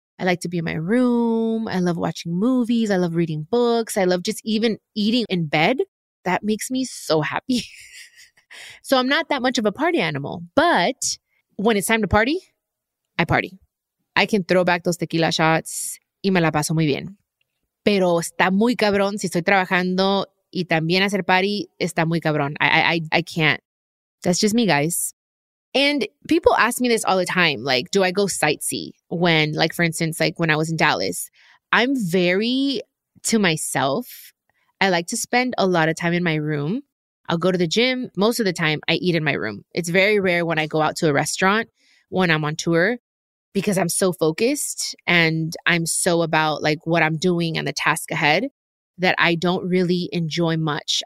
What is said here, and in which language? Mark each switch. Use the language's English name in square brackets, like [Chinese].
[English] I like to be in my room. I love watching movies. I love reading books. I love just even eating in bed. That makes me so happy. So I'm not that much of a party animal, but when it's time to party, I party. I can throw back those tequila shots [Spanish] y me la paso muy bien. Pero está muy cabrón si estoy trabajando y también hacer party, está muy cabrón. [English] I can't. That's just me, guys. And people ask me this all the time, like, do I go sightsee when, like, for instance, like when I was in Dallas, I'm very to myself. I like to spend a lot of time in my room. I'll go to the gym. Most of the time I eat in my room. It's very rare when I go out to a restaurant when I'm on tour because I'm so focused and I'm so about like what I'm doing and the task ahead that I don't really enjoy much.